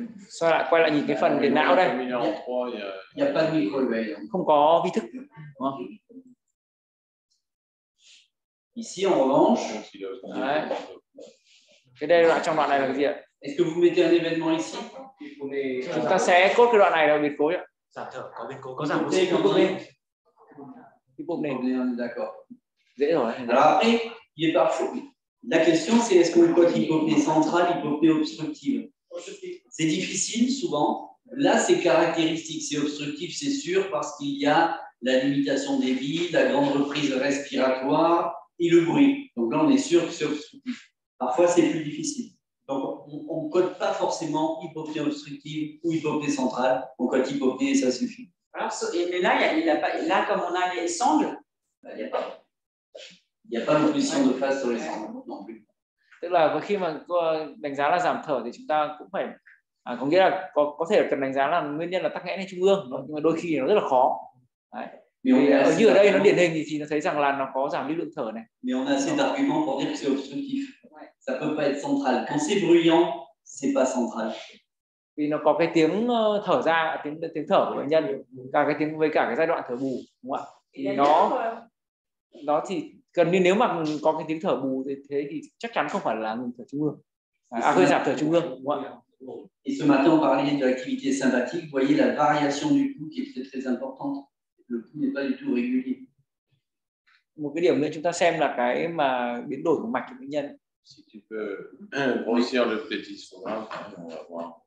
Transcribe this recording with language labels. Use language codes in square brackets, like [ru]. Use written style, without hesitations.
[fr] Soit là, [vi] quay lại nhìn cái phần điện não đây. [fr] Il n'y a pas de micro-éveil. [vi] Không có vi thức. Đúng không? [fr] Ici, en revanche. Ouais. [vi] Cái đây là trong đoạn này là cái gì ạ? [fr] Est-ce que vous mettez un événement ici? [vi] Chúng ta sẽ cốt cái đoạn này là biệt cố ạ. Giảm thở, có biệt cố, có giảm oxy, có bụng nền. Cái bụng nền. [fr] D'accord. [vi] Dễ rồi. [fr] Alors après, il est parfois. La question c'est est-ce qu'on cote hypopnée centrale, hypopnée obstructive? C'est difficile souvent. Là, c'est caractéristique. C'est obstructif, c'est sûr, parce qu'il y a la limitation des vides, la grande reprise respiratoire et le bruit. Donc là, on est sûr que c'est obstructif. Parfois, c'est plus difficile. Donc, on ne code pas forcément hypopnée obstructive ou hypopnée centrale. On code hypopnée et ça suffit. Alors, mais là, il a pas, là, comme on a les sangles, ben, il n'y a pas. Il n'y a pas d'opposition de phase sur les sangles non plus. [vi] Tức là khi mà đánh giá là giảm thở thì chúng ta cũng phải có nghĩa là có thể cần đánh giá là nguyên nhân là tắc nghẽn hay trung ương, nhưng mà đôi khi nó rất là khó. Đấy. Mais như ở đây nó điển hình thì nó thấy rằng là nó có giảm lưu lượng thở này. [fr] Mais on a assez d'arguments pour dire que c'est obstructif. Ça peut pas être central. Quand c'est bruyant, c'est pas central. [vi] Vì nó có cái tiếng thở ra, tiếng thở của bệnh nhân, cả cái tiếng với cả cái giai đoạn thở bù, đúng không ạ? Nó thì gần như nếu mà có cái tiếng thở bù thế thì chắc chắn không phải là ngừng thở trung ương. À, hơi giảm thở trung ương, đúng không ạ? [fr] Et ce matin, on parlait de l'activité sympathique. Vous voyez la variation du pouls qui est très, très importante. Le pouls n'est pas du tout régulier. [vi] Một cái điểm nữa chúng ta xem là cái mà biến đổi của mạch của bệnh nhân. [fr] Si tu peux grossir le petit sphincter, on va voir.